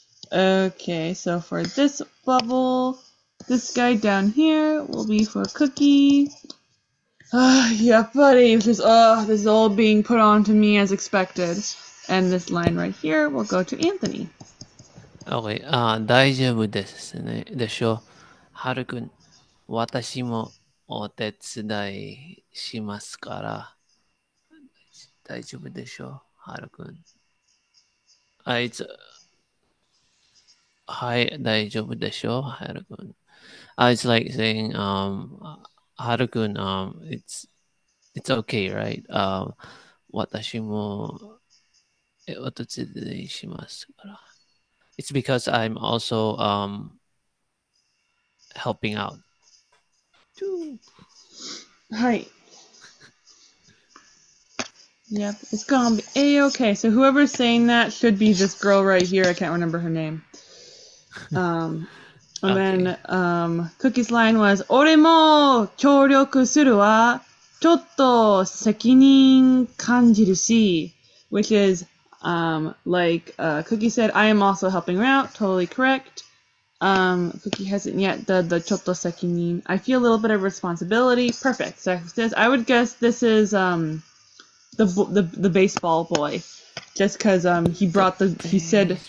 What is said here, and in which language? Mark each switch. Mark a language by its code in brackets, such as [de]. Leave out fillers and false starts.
[en] Okay, so for this bubble, this guy down here will be for Cookie. Yeah, buddy, this is all being put on to me as expected. And this line right here will go to Anthony. [ja] Okay, 大丈夫ですね、でしょう。ハル君、私もお手伝いしますから。大丈夫でしょう、ハル君。あいつ、はい、大丈夫でしょう、ハル君。 [en] It's like saying, ハル君、it's okay, right? [ja] 私もお手伝いしますから。 [en] It's because I'm also helping out. [ja] はい。 [en] Yep, it's gonna be A-okay. So whoever's saying that should be this girl right here. I can't remember her name. And then Cookie's line was, [ja] 俺も協力するわ。ちょっと責任感じるし。 [en] Which is, Cookie said, I am also helping her out. Totally correct. Cookie hasn't yet done the [ja] ちょっと責任. [en] I feel a little bit of responsibility. Perfect. So says, I would guess this is, The baseball boy, just because he brought the he said